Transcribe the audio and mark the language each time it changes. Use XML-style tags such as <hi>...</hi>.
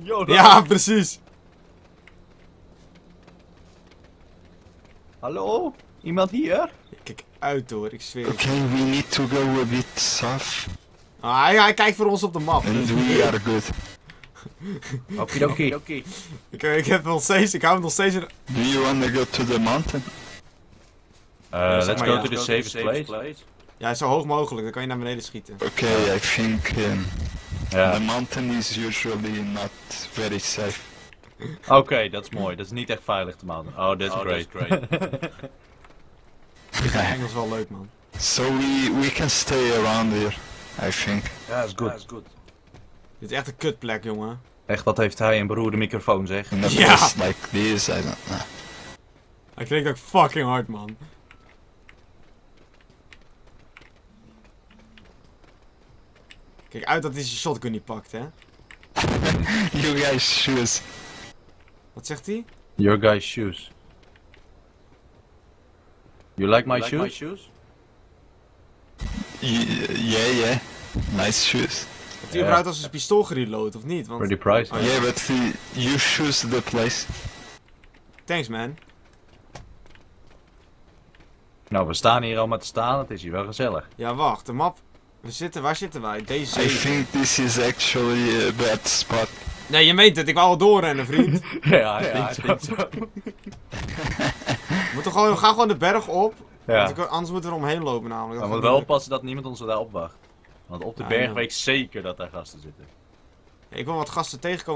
<nl>Yo, ja, precies. Hallo? Iemand hier? Kijk uit hoor, ik zweer.</nl> <en>Okay, we need to go a bit south.</en> <nl>Ah, hij kijkt voor ons op de map.</nl> <en>And we are good.</en> <nl>Okidoki. Ik hou hem nog steeds in...</nl> <en>Do you want to go to the mountain? Let's go to the safest place.</en> <nl>Ja, zo hoog mogelijk, dan kan je naar beneden schieten.</nl> <en>Okay, I think... The mountain is usually not very safe.</en> <nl>Okay, dat is mooi. Dat is niet echt veilig, de mountain.</nl> <en>Oh, that's great.</en> <nl>Ik vind Engels wel leuk, man.</nl> <en>So we can stay around here, I think.</en> <nl>Ja, is goed. Dit is echt een kutplek, jongen. Echt, wat heeft hij een beroerde microfoon, zeg.</nl> <en>Ja! Like this, I don't know.</en> <nl>Hij klinkt ook fucking hard, man. Kijk uit dat hij zijn shotgun niet pakt, hè.</nl> <en>Your guy's shoes.</en> <nl>Wat zegt hij?</nl> <en>Your guy's shoes. You like my shoes? Yeah. Nice shoes.</en> <nl>Heeft hij überhaupt als een pistool gereload of niet? Want...</nl> <en>Pretty price. Oh, yeah, but you choose the place. Thanks, man.</en> <nl>Nou, we staan hier al maar te staan. Het is hier wel gezellig. Ja, wacht. De map. Waar zitten wij? Deze.</nl> <en>I think this is actually a bad spot.</en> <nl>Nee, je meent het. Ik wou al doorrennen, vriend. Ja, ik denk zo. We gaan gewoon de berg op. Ja. Anders moeten we er omheen lopen namelijk. Dan moet wel oppassen dat niemand ons daar opwacht. Want op de berg weet ik zeker dat daar gasten zitten. Ja, ik wil wat gasten tegenkomen.</nl>